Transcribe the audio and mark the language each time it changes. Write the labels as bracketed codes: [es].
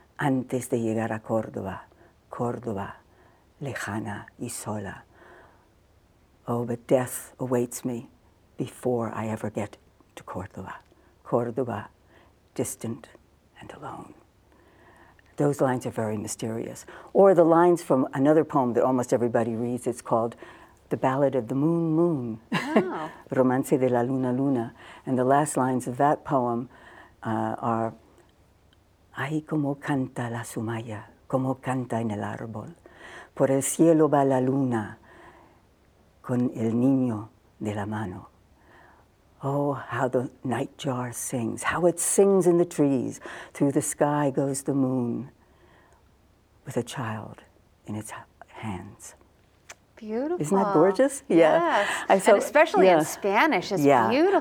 [es] Antes de llegar a Córdoba, Córdoba, lejana y sola. [en] Oh, but death awaits me before I ever get to Córdoba, Córdoba, distant and alone. Those lines are very mysterious. Or the lines from another poem that almost everybody reads, it's called The Ballad of the Moon Moon, wow. [es] Romance de la Luna Luna. [en] And the last lines of that poem are, [es] Ay, como canta la sumaya, como canta en el árbol. Por el cielo va la luna con el niño de la mano. [en] Oh, how the nightjar sings, how it sings in the trees. Through the sky goes the moon with a child in its hands. Beautiful. Isn't that gorgeous? Yeah. Yes. In Spanish, it's beautiful.